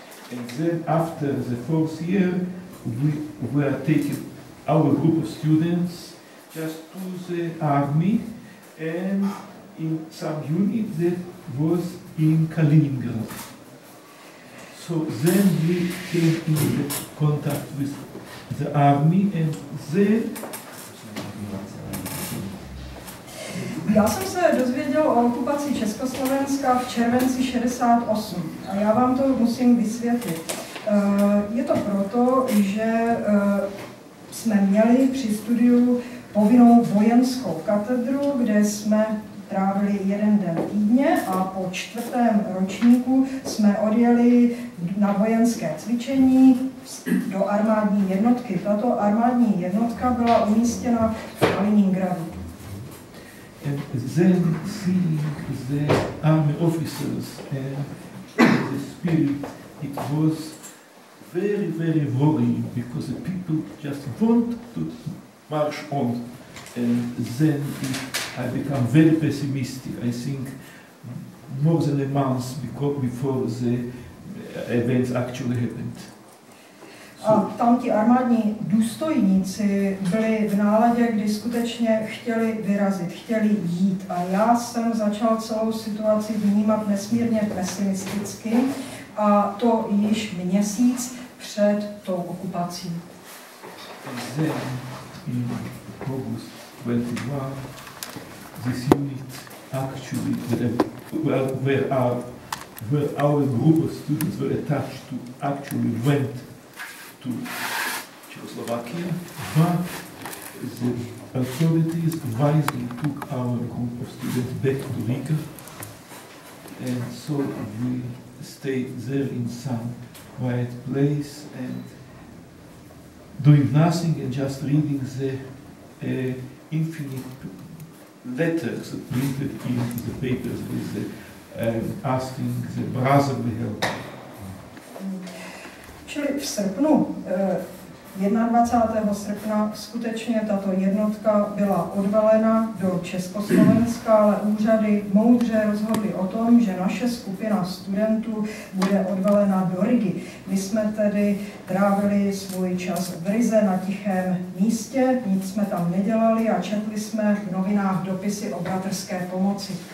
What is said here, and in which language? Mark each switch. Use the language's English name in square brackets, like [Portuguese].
[English] And then after the fourth year, we were taking our group of students just to the army and in some unit that was in Kaliningrad. So then we came in contact with the army and the... [Czech] Já jsem se dozvěděl o okupaci Československa v červenci 68 a já vám to musím vysvětlit. Je to proto, že jsme měli při studiu povinnou vojenskou katedru, kde jsme trávili jeden den týdně a po čtvrtém ročníku jsme odjeli na vojenské cvičení do armádní jednotky. Tato armádní jednotka byla umístěna v Kaliningradu. [English] And then seeing the army officers and the spirit, it was very, very worrying because the people just want to march on. And then I become very pessimistic. I think more than a month before the events actually happened. [Czech] A tam ti armádní důstojníci byli v náladě, kdy skutečně chtěli vyrazit, chtěli jít. A já jsem začal celou situaci vnímat nesmírně pesimisticky, a to již měsíc před tou okupací. [English] Then, in August 21, this unit actually, where our group of students were attached to, actually went to Czechoslovakia, but the authorities wisely took our group of students back to Riga, and so we stayed there in some quiet place and doing nothing and just reading the infinite letters printed in the papers with the asking the brotherly help. [Czech] Čili v srpnu, 21. srpna, skutečně tato jednotka byla odvalena do Československa, ale úřady moudře rozhodly o tom, že naše skupina studentů bude odvalena do Rigy. My jsme tedy trávili svůj čas v Rize na tichém místě, nic jsme tam nedělali a četli jsme v novinách dopisy o bratrské pomoci.